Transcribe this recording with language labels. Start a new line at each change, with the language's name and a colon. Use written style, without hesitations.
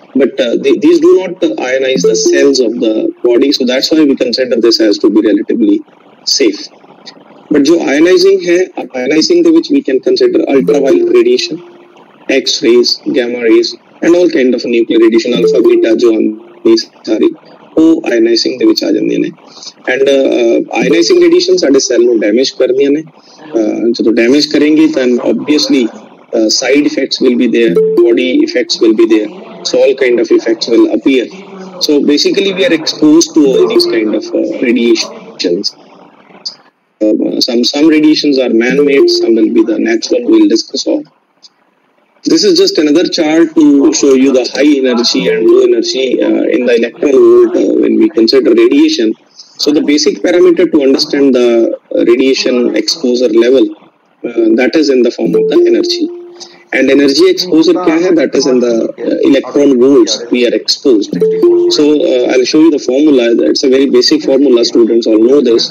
English: But these do not ionize the cells of the body, so that's why we consider this as to be relatively safe. But jo ionizing hai, ionizing the which we can consider ultraviolet radiation, X-rays, gamma rays, and all kind of nuclear radiation, alpha, beta, jo sorry.
Punjabi: ionizing ਦੇ ਵਿੱਚ ਆ ਜਾਂਦੇ ਨੇ and ionizing radiation ਸਾਡੇ cell ਨੂੰ damage ਕਰਦੀਆਂ ਨੇ ਜਦੋਂ ਡੈਮੇਜ ਕਰੇਂਗੇ ਤਾਂ
English: Obviously side effects will be there body effects will be there so all kind of effects will appear so basically we are exposed to all these kind of radiations some radiations are man made some will be the natural we will discuss all This is just another chart to show you the high energy and low energy in the electron volt when we consider radiation. So the basic parameter to understand the radiation exposure level, that is in the form of the energy. And energy exposure
Hindi: kya hai?
English: That is in the electron volts we are exposed. So I'll show you the formula. It's a very basic formula. Students all know this.